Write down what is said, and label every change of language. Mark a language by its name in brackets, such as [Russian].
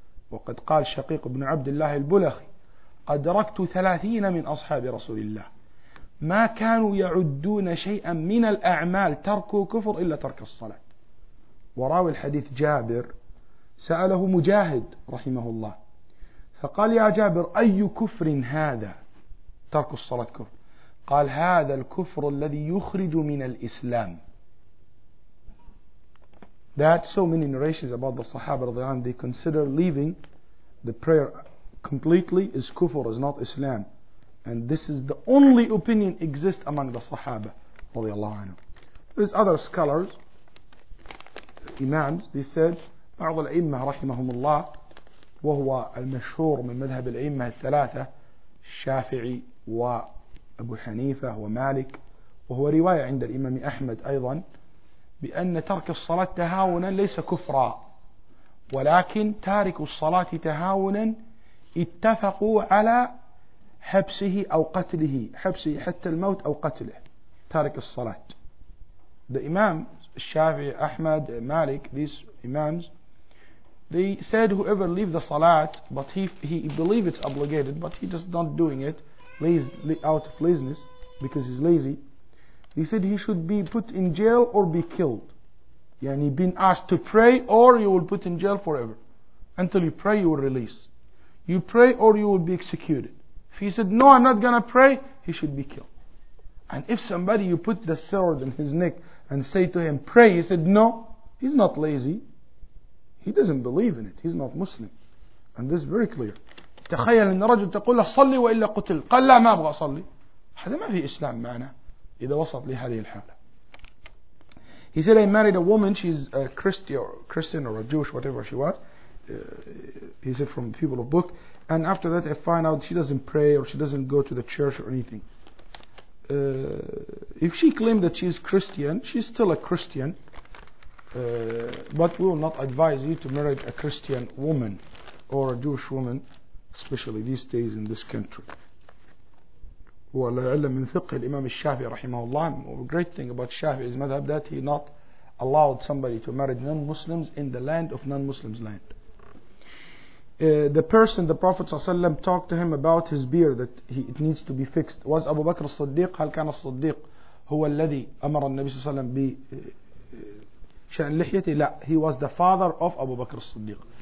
[Arabic] وقد قال شقيق بن عبد الله البلخي أدركت 30 من أصحاب رسول الله ما كانوا يعدون شيئا من الأعمال تركوا كفر إلا ترك الصلاة. وراوي الحديث جابر سأله مجاهد رحمه الله فقال يا جابر أي كفر هذا ترك الصلاة كفر؟ قال هذا الكفر الذي يخرج من الإسلام. [English] That so many narrations about the Sahaba [Arabic] رضي الله عنهم, [English] they consider leaving the prayer completely is kufr, is not Islam. And this is the only opinion exist among the Sahaba [Arabic] رضي الله عنهم. [English] There's other scholars, imams, they said [Arabic] بعض الأئمة رحمهم الله وهو المشهور من مذهب الأئمة الثلاثة الشافعي وأبو حنيفة ومالك, وهو رواية عند الإمام أحمد أيضا بأن ترك الصلاة تهاونا ليس كفرا, ولكن تارك الصلاة تهاونا اتفقوا على حبسه أو قتله, حبسه حتى الموت أو قتله تارك الصلاة. [English] The Imam الشافعي أحمد مالك, these Imams, they said whoever leave the salat, but he believe it's obligated, but he just not doing it out of laziness, because he's lazy. He said he should be put in jail or be killed. Yani been asked to pray or you will put in jail forever. Until you pray, you will release. You pray or you will be executed. If he said, no, I'm not going to pray, he should be killed. And if somebody, you put the sword in his neck and say to him, pray, he said, no, he's not lazy. He doesn't believe in it. He's not Muslim. And this is very clear. [Arabic] تخيل أن رجل تقول له صلي وإلا قتل. قال لا ما أبغى أصلي. هذا ما في إسلام معنا إذا وصلت لهذه الحالة. [English] He said, I married a woman. She's a Christian or a Jewish, whatever she was. He said, from people of book. And after that, I find out she doesn't pray or she doesn't go to the church or anything. If she claimed that she's Christian, she's still a Christian. But we will not advise you to marry a Christian woman or a Jewish woman, especially these days in this country. [Arabic] وَلَعَلَّ مِنْ فِقْهِ الْإِمَامِ الشَّافِعِ رَحِمَهُ اللَّهِ. [English] The great thing about Shafi'i is madhab that he not allowed somebody to marry non-Muslims in the land of non-Muslims land. The person, the Prophet ﷺ talked to him about his beard, that it needs to be fixed. Was Abu Bakr al-Siddiq, [Arabic] هل كان الصديق هو الذي أمر النبي صلى الله عليه وسلم شأن لحيته؟ لا, [English] he was the father of Abu Bakr al-Siddiq.